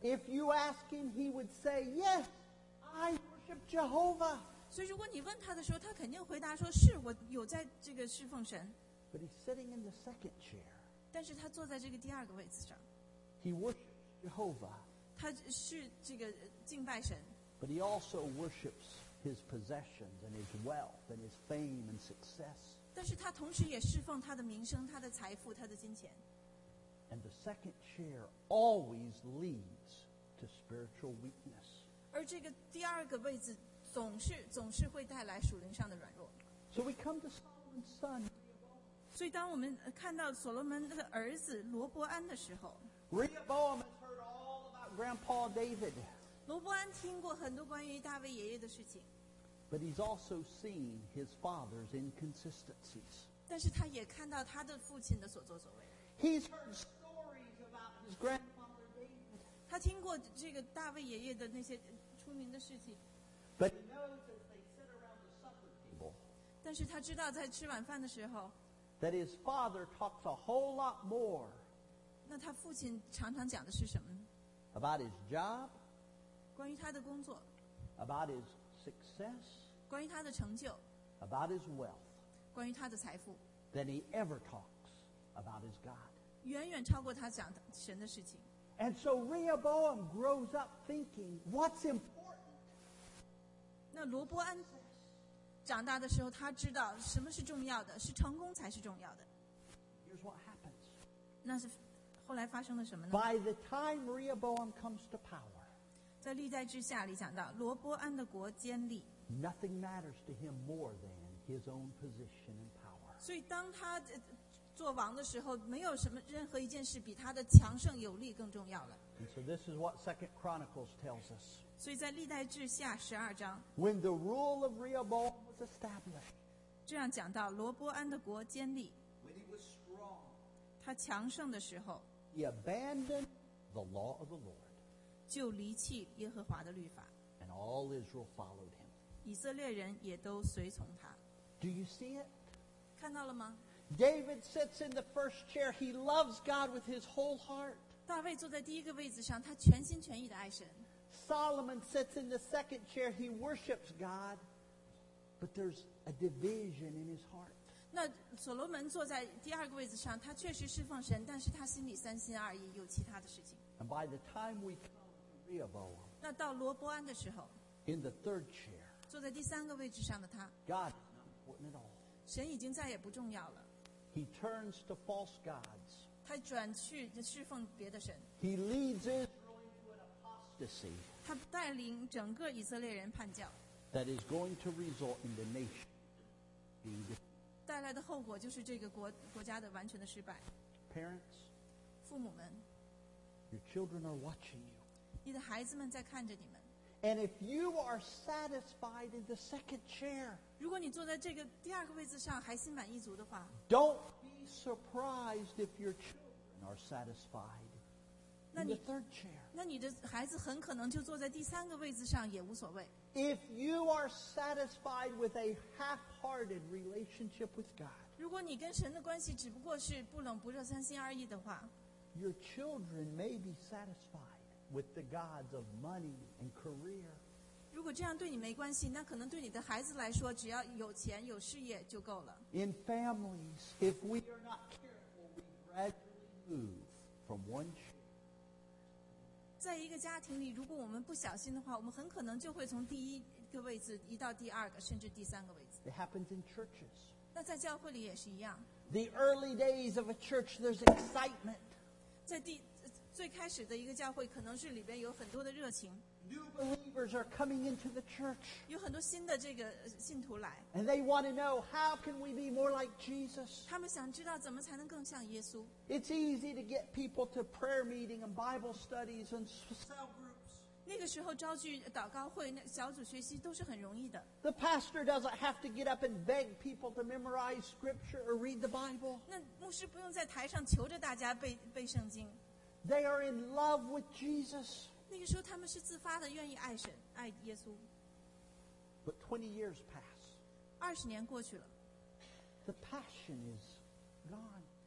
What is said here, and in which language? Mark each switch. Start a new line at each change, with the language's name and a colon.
English: If you ask him he would say Yes I worship Jehovah
Chinese: 所以如果你问他的时候他肯定回答说是我有在这个侍奉神
English: But he's sitting in the second chair
Chinese: 但是他坐在这个第二个位置上
English: He worships Jehovah.
Chinese: 他是这个敬拜神。
English: But he also worships his possessions and his wealth and his fame and success.
Chinese: 但是他同时也侍奉他的名声、他的财富、他的金钱。
English: And the second chair always leads to spiritual weakness.
Chinese: 而这个第二个位置总是会带来属灵上的软弱。
English: So we come to Solomon's son.
Chinese: 所以当我们看到所罗门的儿子罗伯安的时候。
English: Rehoboam has heard all about Grandpa David.
Chinese: 罗伯安听过很多关于大卫爷爷的事情。
English: But he's also seen his father's inconsistencies.
Chinese: 但是他也看到他的父亲的所作所为。
English: He's heard stories about his grandfather David.
Chinese: 他听过这个大卫爷爷的那些出名的事情。
English: But he knows as they sit around the supper table.
Chinese: 但是他知道在吃晚饭的时候。
English: That his father talks a whole lot more.
Chinese: 那他父亲常常讲的是什么呢
English: ？About his job，
Chinese: 关于他的工作
English: ；About his success，
Chinese: 关于他的成就
English: ；About his wealth，
Chinese: 关于他的财富
English: ；Than he ever talks about his God，
Chinese: 远远超过他讲神的事情。
English: And so Rehoboam grows up thinking what's important。
Chinese: 那罗伯安长大的时候，他知道什么是重要的，是成功才是重要的。
English: Here's what happens。
Chinese: 那是。后来发生了什么呢
English: By the time Rehoboam comes to power,
Chinese: 在历代志下里讲到罗伯安的国建立
English: nothing matters to him more than his own position and power.
Chinese: 所以当他做王的时候没有什么任何一件事比他的强盛有力更重要了
English: And so this is what 2 Chronicles tells us.
Chinese: 所以在历代志下十二章
English: When the rule of Rehoboam was established,
Chinese: 这样讲到罗伯安的国建立
English: When he was strong,
Chinese: 他强盛的时候
English: He abandoned the law of the Lord.
Chinese: 就离弃耶和华的律法。
English: And all Israel followed him.
Chinese: 以色列人也都随从他。
English: Do you see it?
Chinese: 看到了吗？
English: David sits in the first chair. He loves God with his whole heart.
Chinese: 大卫坐在第一个位置上，他全心全意的爱神。
English: Solomon sits in the second chair. He worships God, but there's a division in his heart.
Chinese: 那所罗门坐在第二个位置上他确实侍奉神但是他心里三心二意有其他的事情
English: And by the time we come to Rehoboam,
Chinese: 那到罗伯安的时候
English: in the third chair,
Chinese: 坐在第三个位置上的他
English: God is not important at all.
Chinese: 神已经再也不重要了
English: He turns to false gods.
Chinese: 他转去侍奉别的神
English: He leads Israel into an apostasy.
Chinese: 他带领整个以色列人叛教
English: That is going to result in the nation being defeated.
Chinese: 带来的后果就是这个 国家的完全的失败
English: Parents,
Chinese: 父母们
English: your children are watching you.
Chinese: 你的孩子们在看着你们
English: And if you are satisfied in the second chair,
Chinese: 如果你坐在这个第二个位置上还心满意足的话
English: Don't be surprised if your children are satisfied in the third chair.
Chinese: 那你的孩子很可能就坐在第三个位置上也无所谓
English: If you are satisfied with a half-hearted relationship with God,
Chinese: 如果你跟神的关系只不过是不冷不热、三心二意的话
English: your children may be satisfied. with the gods of money and career.
Chinese: 如果这样对你没关系，那可能对你的孩子来说，只要有钱有事业就够了。
English: In families, if we are not careful, we gradually move from one shoe.
Chinese: 在一个家庭里，如果我们不小心的话，我们很可能就会从第一个位置移到第二个，甚至第三个位置。
English: It happens in churches.
Chinese: 那在教会里也是一样。
English: The early days of a church, there's excitement.
Chinese: 在第最开始的一个教会，可能是里边有很多的热情。
English: New believers are coming into the church.
Chinese: 有很多新的这个信徒来。
English: And they want to know how can we be more like Jesus.
Chinese: 他们想知道怎么才能更像耶稣。
English: It's easy to get people to prayer meeting and Bible studies and cell groups.
Chinese: 那个时候招聚祷告会、小组学习都是很容易的。
English: The pastor doesn't have to get up and beg people to memorize scripture or read the Bible.
Chinese: 那牧师不用在台上求着大家背圣经。
English: They are in love with Jesus.
Chinese: 那个时候他们是自发的愿意爱神，爱耶稣。
English: But 20 years pass.
Chinese: 二十年过去了。
English: The passion is gone.